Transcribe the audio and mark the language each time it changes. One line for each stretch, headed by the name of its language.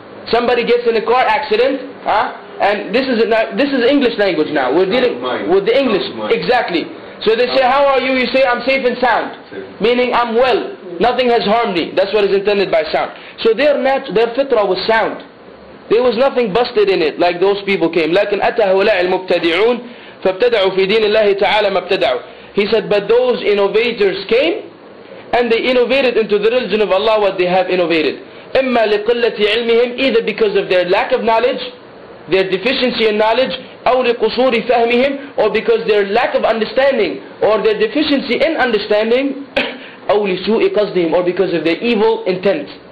English: Somebody gets in a car accident, huh? And this is English language now. We're dealing with the English. Exactly. So they say, how are you? You say, I'm safe and sound. Safe. Meaning I'm well. Nothing has harmed me. That's what is intended by sound. So their fitrah was sound. There was nothing busted in it like those people came.
Arabic: لكن أتى هؤلاء المبتدعون فابتدعوا في دين الله تعالى ما ابتدعوا.
English: He said, but those innovators came and they innovated into the religion of Allah what they have innovated.
Arabic: إما لقلة علمهم,
English: either because of their lack of knowledge, their deficiency in knowledge,
Arabic: أو لقصور فهمهم,
English: or because their lack of understanding or their deficiency in understanding,
Arabic: أو لسوء قصدهم,
English: or because of their evil intent.